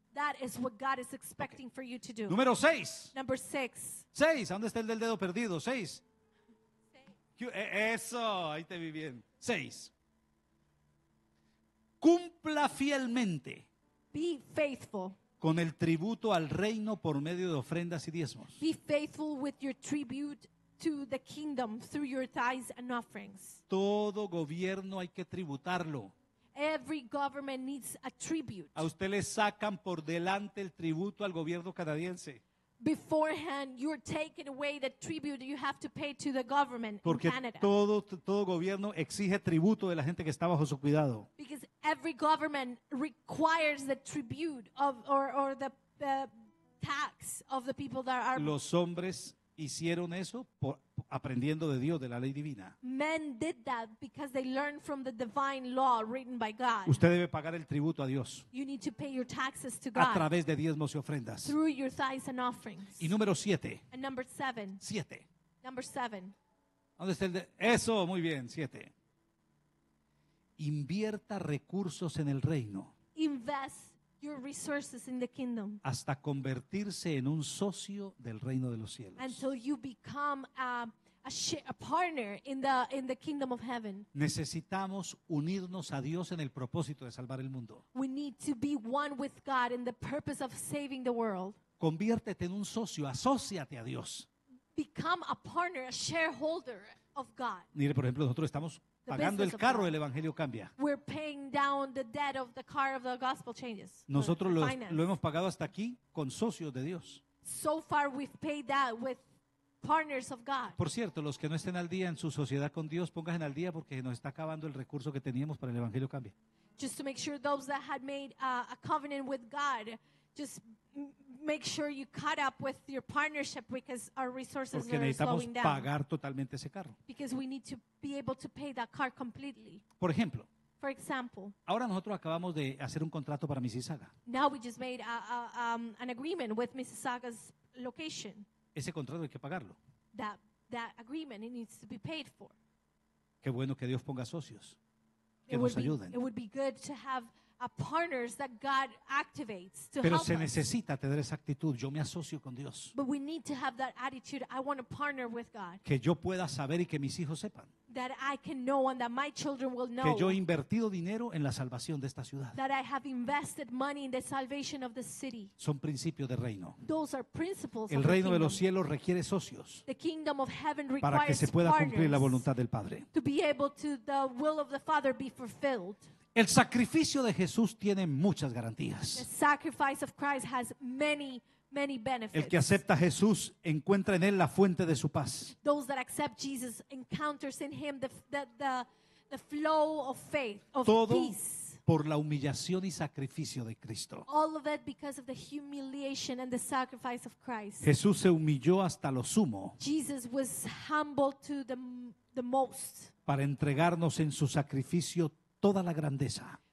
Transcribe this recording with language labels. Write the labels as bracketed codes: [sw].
[en] That is what God is expecting for you to do. [es] Número 6. [en] Number 6. [es] 6, ¿dónde está el del dedo perdido? 6. Eso, ahí te vi bien. 6. Cumpla fielmente. [en] Be faithful. [es] Con el tributo al reino por medio de ofrendas y diezmos. [en] Be faithful with your tribute to the kingdom through your tithes and offerings. [es] Todo gobierno hay que tributarlo. [en] Every government needs a tribute. [es] A usted le sacan por delante el tributo al gobierno canadiense. [en] Beforehand, you're taking away the tribute you have to pay to the government [es] Porque [en] in Canada. [es] Porque todo gobierno exige tributo de la gente que está bajo su cuidado. [en] Because every government requires the tribute of or the tax of the people that are. [es] Los hombres hicieron eso por aprendiendo de Dios, de la ley divina. [en] Men did that because they learned from the divine law written by God. [es] Usted debe pagar el tributo a Dios. [en] You need to pay your taxes to God. [es] A través de diezmos y ofrendas. [en] Through your tithes and offerings. [es] Y número 7. [en] And number 7. 7. Number 7. [es] ¿Dónde está el de? Eso, muy bien, 7. Invierta recursos en el reino. [en] Invest your resources in the kingdom. [es] Hasta convertirse en un socio del reino de los cielos. [en] Until you become a partner in the kingdom of heaven. [es] Necesitamos unirnos a Dios en el propósito de salvar el mundo. [en] We need to be one with God in the purpose of saving the world. [es] Conviértete en un socio, asóciate a Dios. [en] Become a partner, a shareholder of God. [es] Mire, por ejemplo, nosotros estamos pagando el carro, el evangelio cambia. [en] We're paying down the debt of the car of the gospel changes. [es] Nosotros lo hemos pagado hasta aquí con socios de Dios. [en] So far we've paid that with partners of God. [es] Por cierto, los que no estén al día en su sociedad con Dios, pónganse al día porque nos está acabando el recurso que teníamos para el Evangelio Cambia. [en] Just to make sure those that had made a covenant with God, just make sure you caught up with your partnership because our resources [es] porque [en] are slowing down. [es] Porque necesitamos pagar totalmente ese carro. [en] Because we need to be able to pay that car completely. [es] Por ejemplo. [en] For example. [es] Ahora nosotros acabamos de hacer un contrato para Mississauga. [en] Now we just made an agreement with Mississauga's location. [es] Ese contrato hay que pagarlo. [en] That agreement, it needs to be paid for. [es] Qué bueno que Dios ponga socios que nos ayuden. [en] It would be good to have a partners that God activates to help us. [es] Pero se necesita tener esa actitud. Yo me asocio con Dios. [en] But we need to have that attitude. I want to partner with God. [es] Que yo pueda saber y que mis hijos sepan. [en] That I can know and that my children will know. [es] Que yo he invertido dinero en la salvación de esta ciudad. [en] That I have invested money in the salvation of the city. [es] Son principios de reino. [en] Those are principles. [es] El reino de los cielos requiere socios. [en] The kingdom of heaven requires partners. [es] Para que se pueda cumplir la voluntad del Padre. [en] To be able to the will of the Father be fulfilled. [es] El sacrificio de Jesús tiene muchas garantías. [en] The sacrifice of Christ has many. Many benefits. [es] El que acepta a Jesús encuentra en él la fuente de su paz. [en] Those that accept Jesus encounters in him the flow of faith, of [es] todo [en] peace. [es] Por la humillación y sacrificio de Cristo. [en] All of it because of the humiliation and the sacrifice of Christ. [es] Jesús se humilló hasta lo sumo. [en] Jesus was humbled to the most. [es] Para entregarnos en su sacrificio toda la grandeza.